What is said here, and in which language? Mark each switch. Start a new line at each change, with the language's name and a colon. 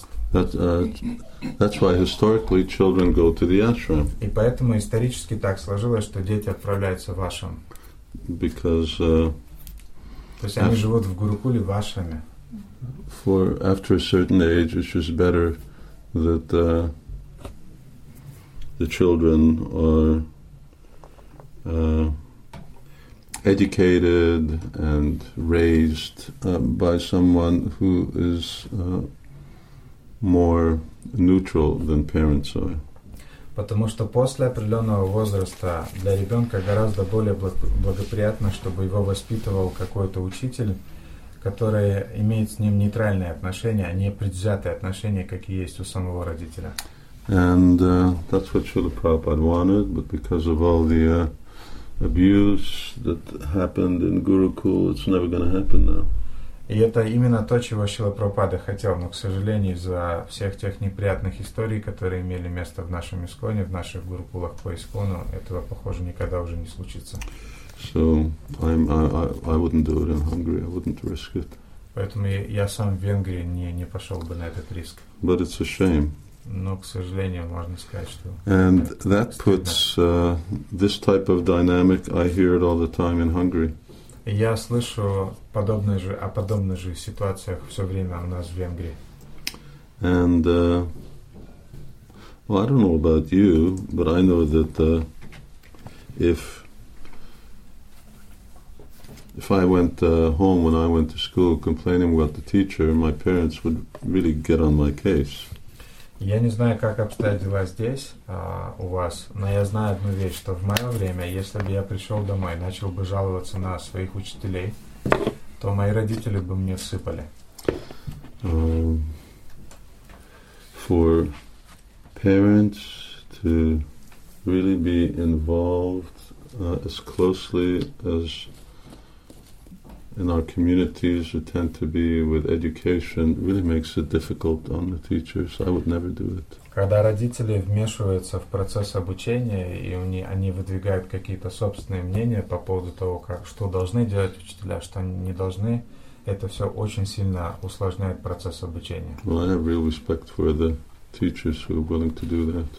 English: That's why historically children go to the ashram.
Russian: И поэтому исторически так сложилось, что дети отправляются в ашрам.
English: Because
Russian: То есть они живут в Гурукуле в ашраме.
English: For after a certain age, it's just better that the children are educated and raised by someone who is more neutral than parents are.
Russian: Потому что после определенного возраста для ребенка гораздо более благоприятно, чтобы его воспитывал какой-то учитель, который имеет с ним нейтральные отношения, а не предвзятые отношения, как и есть у самого родителя.
English: And that's what Srila Prabhupada wanted, but because of all the abuse that happened in Gurukul, it's never going to happen now.
Russian: И это именно то, чего Шрила Прабхупада хотел, но, к сожалению, из-за всех тех неприятных историй, которые имели место в нашем Исконе, в наших Гурукулах по Искону, этого, похоже, никогда уже не случится.
English: So I wouldn't do it in Hungary. I wouldn't risk it.
Russian: Поэтому я сам в Венгрии не пошел бы на этот риск.
English: But it's a shame.
Russian: Но, к сожалению, можно сказать, что...
English: And that puts this type of dynamic, I hear it all the time in Hungary.
Russian: Я слышу о подобных же ситуациях все время у нас в Венгрии.
English: And, I don't know about you, but I know that if I went home when I went to school complaining about the teacher, my parents would really get on my case.
Russian: Я не знаю, как обстоят дела здесь, у вас, но я знаю одну вещь, что в мое время, если бы я пришел домой и начал бы жаловаться на своих учителей, то мои родители бы мне всыпали.
English: For parents to really be involved as closely as in our communities who tend to be with education really makes it difficult on the teachers. I would never do it.
Russian: Когда родители вмешиваются в процесс обучения, и они выдвигают какие-то собственные мнения по поводу того, как, что должны делать учителя, что не должны, это все очень сильно усложняет процесс обучения.
English: Well, I have real respect for the teachers who are willing to do that.